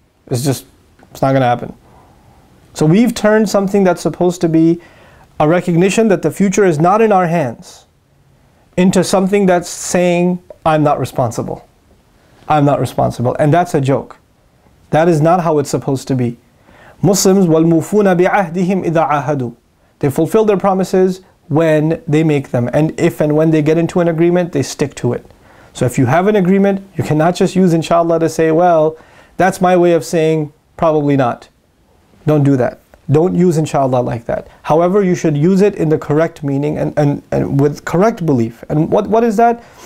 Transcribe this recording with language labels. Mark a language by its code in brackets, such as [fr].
[en] It's not going to happen. So we've turned something that's supposed to be a recognition that the future is not in our hands into something that's saying, I'm not responsible. And that's a joke. That is not how it's supposed to be. [ar] Muslims, وَالْمُوفُونَ بِعَهْدِهِمْ إِذَا عَهَدُوا. [en] They fulfill their promises when they make them. And if and when they get into an agreement, they stick to it. So if you have an agreement, you cannot just use inshallah to say, well, that's my way of saying, probably not. Don't do that. Don't use inshallah like that. However, you should use it in the correct meaning and with correct belief. And what is that?